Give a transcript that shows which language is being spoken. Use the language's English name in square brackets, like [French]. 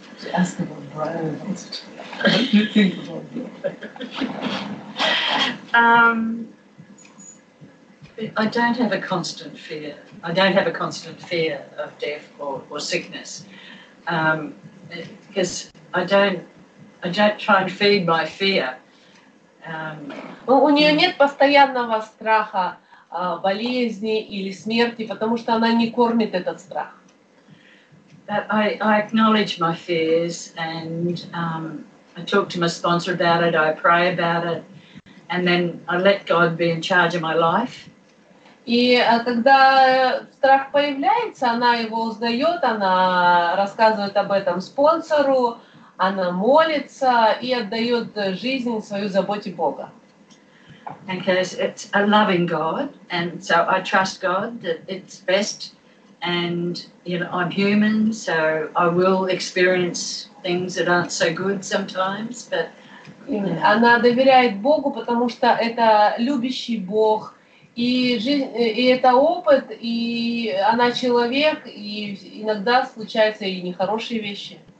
[English] She asked about Brian. What do you think about that? I don't have a constant fear. I don't have a constant fear of death or sickness, because I don't try and feed my fear. [Russian] Ну, у нее нет постоянного страха болезни или смерти, потому что она не кормит этот страх. [English] I acknowledge my fears and I talk to my sponsor about it. I pray about it, and then I let God be in charge of my life. [Russian] И когда страх появляется, она его узнает, она рассказывает об этом спонсору, она молится и отдает жизнь свою заботе Бога. [English] Because it's a loving God, and so I trust God that it's best, and you know I'm human, so I will experience things that aren't so good sometimes. But [Russian] она доверяет Богу, потому что это любящий Бог. И жизнь, и это опыт, и она человек, и иногда случаются и нехорошие вещи.